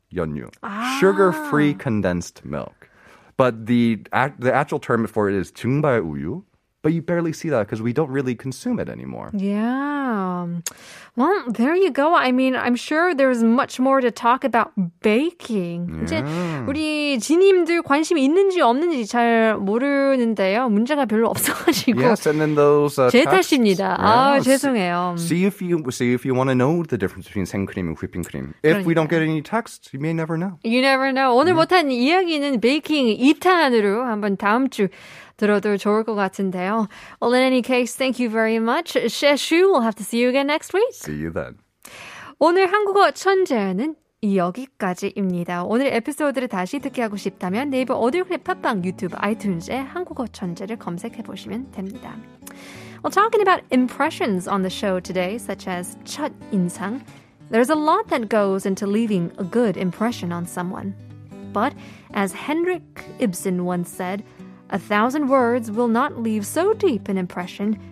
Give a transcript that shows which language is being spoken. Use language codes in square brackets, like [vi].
[en] 연유, sugar-free condensed milk. But the actual term for it is 증발 우유. But you barely see that because we don't really consume it anymore. Yeah. Well, there you go. I mean, I'm sure there's much more to talk about baking. Yeah. [ko] 이제 우리 지님들 관심이 있는지 없는지 잘 모르는데요. 문제가 별로 없어가지고. [en] Yes, and then those [ko] texts. 제 탓입니다. [en] Yeah. [ko] 아, 죄송해요. [en] See if you want to know the difference between 생크림 and whipping cream. If [ko] 그러니까. [en] we don't get any texts, you may never know. You never know. [ko] 오늘 [en] yeah. [ko] 못한 이야기는 베이킹 2탄으로 한번 다음 주 들어도 좋을 것 같은데요. [en] Well, in any case, thank you very much. 셰슈, we'll have to see you again next week. See you then. [ko] 오늘 한국어 천재는 여기까지입니다. 오늘 에피소드를 다시 듣게 하고 싶다면 네이버 오디오 클립 팟빵 유튜브 아이튠즈에 한국어 천재를 검색해보시면 됩니다. [en] Well, talking about impressions on the show today, such as 첫 인상, there's a lot that goes into leaving a good impression on someone. But as Henrik Ibsen once said, 1,000 words will not leave so deep an impression